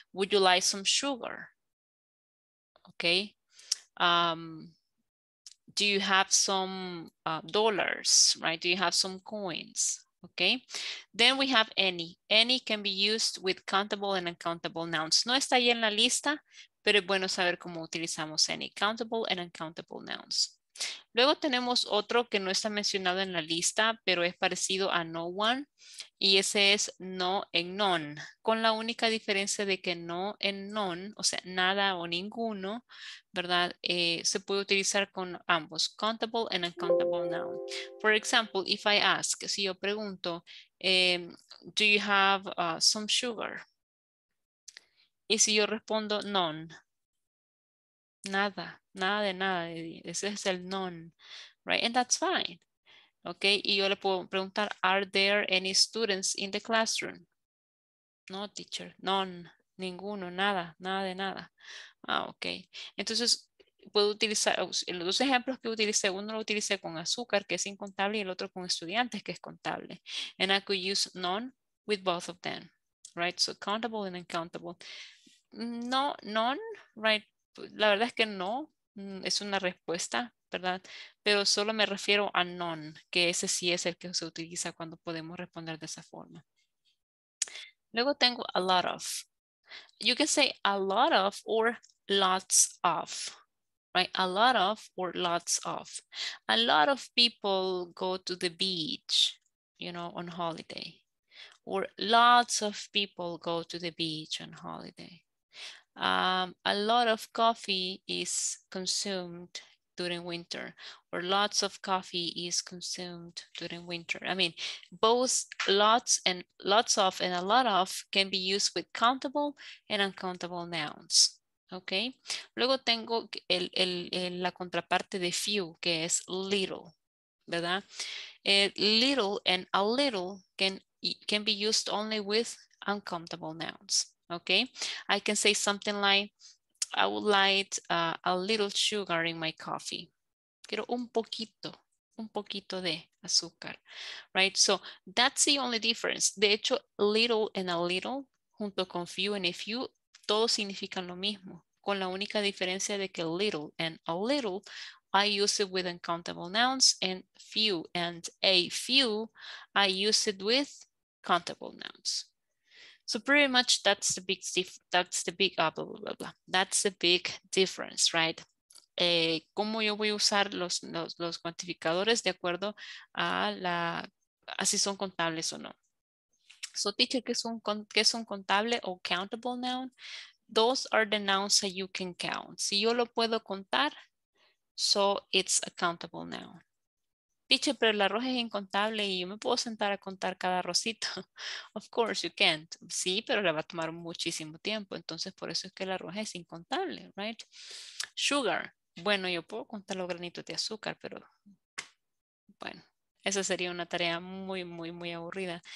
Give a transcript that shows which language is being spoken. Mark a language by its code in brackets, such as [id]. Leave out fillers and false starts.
[en] Would you like some sugar? Okay. Do you have some dollars, right? Do you have some coins? Okay. Then we have any. Any can be used with countable and uncountable nouns. [es] No está ahí en la lista, pero es bueno saber cómo utilizamos any. [en] Countable and uncountable nouns. [es] Luego tenemos otro que no está mencionado en la lista, pero es parecido a no one. Y ese es no en none. Con la única diferencia de que no en none, o sea, nada o ninguno, ¿verdad? Se puede utilizar con ambos, [en] countable and uncountable noun. For example, if I ask, [es] si yo pregunto, [en] do you have some sugar? [es] Y si yo respondo none, nada. Nada de nada, ese es el non, right? [en] And that's fine, okay? [es] Y yo le puedo preguntar, [en] are there any students in the classroom? [es] No, teacher, none, ninguno, nada, nada de nada. Ah, okay. Entonces, puedo utilizar, en los dos ejemplos que utilicé, uno lo utilicé con azúcar, que es incontable, y el otro con estudiantes, que es contable. [en] And I could use none with both of them, right? So countable and uncountable. No, none, right? [es] La verdad es que no, es una respuesta, ¿verdad? Pero solo me refiero a none, que ese sí es el que se utiliza cuando podemos responder de esa forma. Luego tengo a lot of. [en] You can say a lot of or lots of, right? A lot of or lots of. A lot of people go to the beach, you know, on holiday. Or lots of people go to the beach on holiday. A lot of coffee is consumed during winter, or lots of coffee is consumed during winter. I mean, both lots and lots of and a lot of can be used with countable and uncountable nouns. Okay. [es] Luego tengo la contraparte de few, que es little, ¿verdad? [en] Little and a little can be used only with uncountable nouns. Okay, I can say something like, I would like a little sugar in my coffee. [es] Quiero un poquito de azúcar, right? [en] So that's the only difference. [es] De hecho, [en] little and a little, [es] junto con [en] few and a few, [es] todos significan lo mismo, con la única diferencia de que [en] little and a little, I use it with uncountable nouns, and few and a few, I use it with countable nouns. So pretty much that's the big difference, right? [es] ¿Cómo yo voy a usar los cuantificadores de acuerdo a si son contables o no? So teacher, ¿qué es un contable o countable noun? [en] Those are the nouns that you can count. [es] Si yo lo puedo contar, [en] so it's a countable noun. [es] Teacher, pero la rosa es incontable y yo me puedo sentar a contar cada rosito. [en] Of course, you can't. [es] Sí, pero le va a tomar muchísimo tiempo. Entonces, por eso es que la rosa es incontable, right? Sugar, Bueno, yo puedo contar los granitos de azúcar, pero bueno, esa sería una tarea muy, muy, muy aburrida.